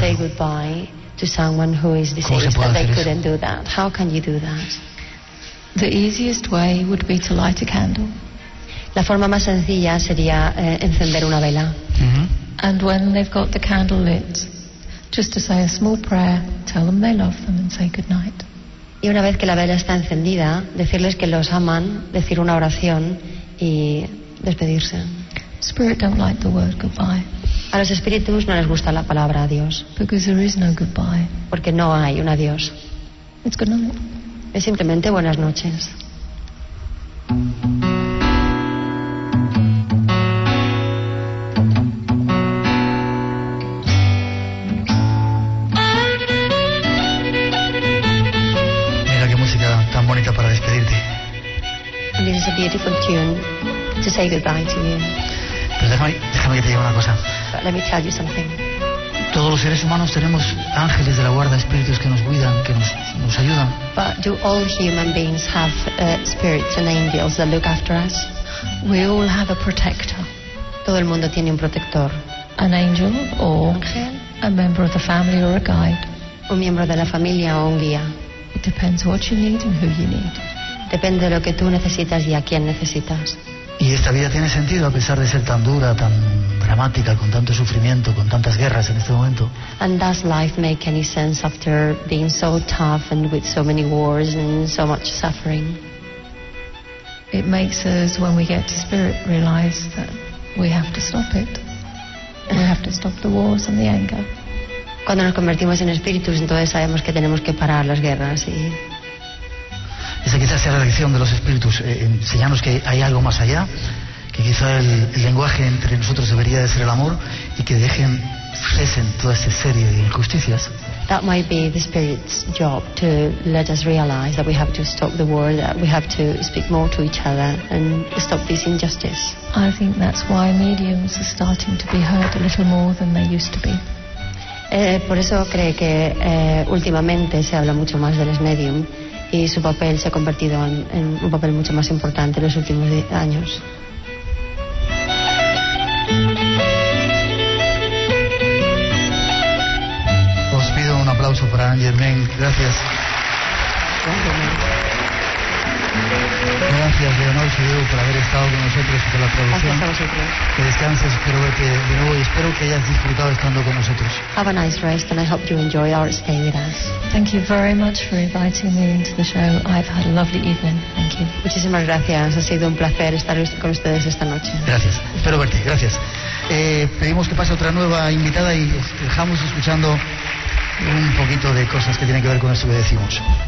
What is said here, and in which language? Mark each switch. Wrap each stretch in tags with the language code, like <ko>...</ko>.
<en>To say goodbye to someone who is deceased, and they</en> <es>eso?</es> <en>Couldn't do that. How can you do that? The easiest way would be to light a candle.</en> <es>La forma más sencilla sería encender una vela. Mm-hmm.</es> <en>And when they've got the candle lit, just to say a small prayer, tell them they love them and say good night.</en> <es>Y una vez que la vela está encendida, decirles que los aman, decir una oración y despedirse.</es> <en>Spirit don't like the word goodbye.</en> <es>A los espíritus no les gusta la palabra adiós.</es> <en>Because there is no goodbye.</en> <es>Porque no hay un adiós.</es> <en>It's good night.</en> <es>Es simplemente buenas noches. Mira qué música tan bonita para despedirte.</es> <en>And this is a beautiful tune to say goodbye to you.</en> <es>Pero déjame que te diga una cosa.</es> <en>But let me tell you something.</en> <es>Todos los seres humanos tenemos ángeles de la guarda, espíritus que nos cuidan, que nos ayudan.</es> <en>But do all human beings have spirits and angels that look after us? We all have a protector.</en> <es>Todo el mundo tiene un protector.</es> <en>An angel or a member of the family or a guide.</en> <es>Un miembro de la familia o un guía.</es> <en>It depends what you need and who you need.</en> <es>Depende de lo que tú necesitas y a quién necesitas. ¿Y esta vida tiene sentido a pesar de ser tan dura, tan dramática, con tanto sufrimiento, con tantas guerras en este momento?</es> <en>And does life make any sense after being so tough and with so many wars and so much suffering? It makes us, when we get to spirit, realize that we have to stop it. We have to stop the wars and the anger.</en> <es>Cuando nos convertimos en espíritus, entonces sabemos que tenemos que parar las guerras y... Esa quizás sea la lección de los espíritus, enseñarnos que hay algo más allá, que quizá el lenguaje entre nosotros debería de ser el amor y que dejen, cesen toda esa serie de injusticias. That might be the spirit's job to let us realize that we have to stop the war, that we have to speak more to each other and stop this injustice.</es> <en>I think that's why mediums are starting to be heard a little more than they used to be.</en> <es>Por eso creo que últimamente se habla mucho más de los mediums. Y su papel se ha convertido en un papel mucho más importante en los últimos 10 años. Os pido un aplauso para Anne Germain. Gracias. Gracias, Leonor Sideu, por haber estado con nosotros y por la traducción. Gracias a vosotros. Que descanses, espero verte de nuevo y espero que hayas disfrutado estando con nosotros.</es> <en>Have a nice rest and I hope you enjoy our stay with us. Thank you very much for inviting me into the show. I've had a lovely evening. Thank you.</en> <es>Muchísimas gracias, ha sido un placer estar con ustedes esta noche. Gracias, espero verte, gracias. Pedimos que pase otra nueva invitada y dejamos escuchando un poquito de cosas que tienen que ver con esto que decimos.</es>